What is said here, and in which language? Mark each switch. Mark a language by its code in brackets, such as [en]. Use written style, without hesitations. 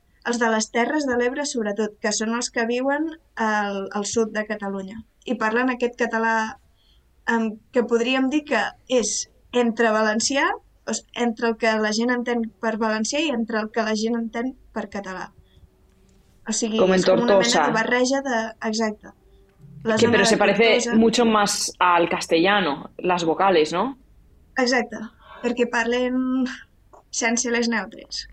[ca] Els de les Terres de l'Ebre, sobretot, que són els que viuen al sud de Catalunya i parlen aquest català que podríem dir que és entre valencià entre el que la gent entén per valencià i entre el que la gent entén per català. O sigui, com en és com una mena de barreja de... Exacte. [es] Que, però se parece mucho más al castellano, las vocales, ¿no? [ca] Exacte, perquè parlen sense les neutres.